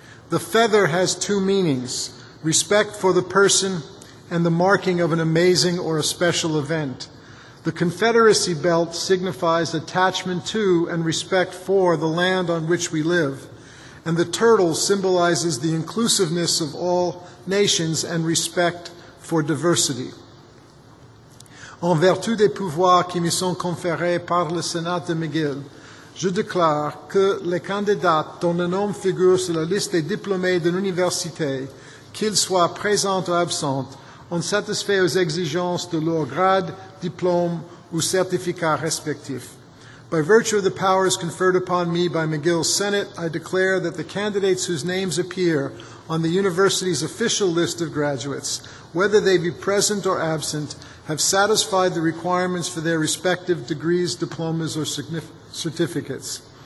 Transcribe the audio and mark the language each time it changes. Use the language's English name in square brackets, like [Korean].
[English] The feather has two meanings, respect for the person and the marking of an amazing or a special event. The Confederacy belt signifies attachment to and respect for the land on which we live, and the turtle symbolizes the inclusiveness of all nations and respect for diversity. [French] En vertu des pouvoirs qui me sont conférés par le Sénat de McGill, je déclare que les candidats dont le nom figure sur la liste des diplômés de l'université, qu'ils soient présents ou absents, ont satisfait aux exigences de leur grade, diplôme ou certificat respectif. [English] By virtue of the powers conferred upon me by McGill's Senate, I declare that the candidates whose names appear on the university's official list of graduates, whether they be present or absent, have satisfied the requirements for their respective degrees, diplomas, or certificates.